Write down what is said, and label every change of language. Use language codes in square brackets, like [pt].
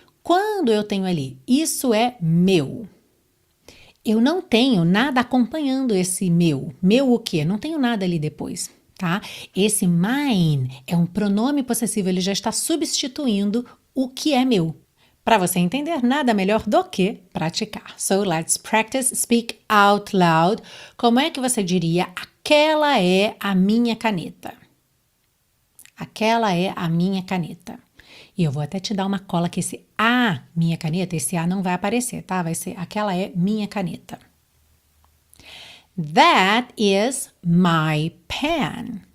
[pt] Quando eu tenho ali, isso é meu, eu não tenho nada acompanhando esse meu. Meu o quê? Não tenho nada ali depois, tá? Esse mine é um pronome possessivo, ele já está substituindo o que é meu. Para você entender, nada melhor do que praticar. [en] So, let's practice, speak out loud. [pt] Como é que você diria, aquela é a minha caneta? Aquela é a minha caneta. E eu vou até te dar uma cola que esse A, minha caneta, esse A não vai aparecer, tá? Vai ser, aquela é minha caneta. [en] That is my pen.